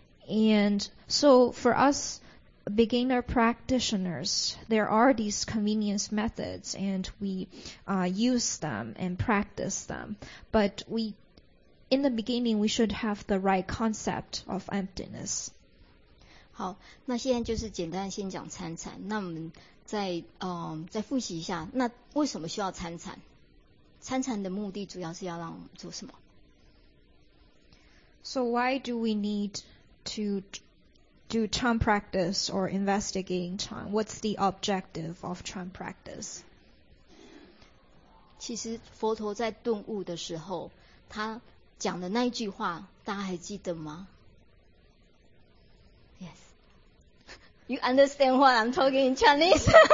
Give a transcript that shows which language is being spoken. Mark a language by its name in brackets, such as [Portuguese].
[English] And so for us beginner practitioners, there are these convenience methods and we use them and practice them. But we in the beginning, we should have the right concept of emptiness. [Chinese] 好，那现在就是简单先讲参禅。那我们再复习一下，那为什么需要参禅？参禅的目的主要是要让我们做什么 [English] ？So why do we need to do chan practice or investigating chan? What's the objective of chan practice? [Chinese] 其实佛陀在顿悟的时候，他讲的那一句话，大家还记得吗？ [English] Yes. You understand what I'm talking in Chinese?